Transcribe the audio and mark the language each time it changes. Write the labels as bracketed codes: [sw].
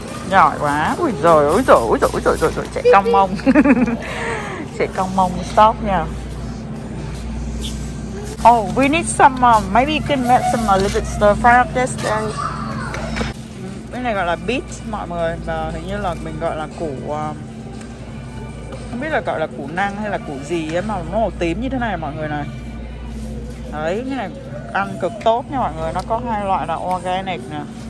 [vi] Giỏi quá, ui giời, ui giời, ui giời, ui giời, ui giời, trẻ cong mông. Trẻ cong mông stop nha. [en] Oh, we need some, maybe you can make some a little bit stir fry up this day. [vi] Bên này gọi là beet mọi người, và hình như là mình gọi là củ, không biết là gọi là củ năng hay là củ gì ấy, mà nó màu tím như thế này mọi người này. Đấy, cái này ăn cực tốt nha mọi người, nó có hai loại là organic nè.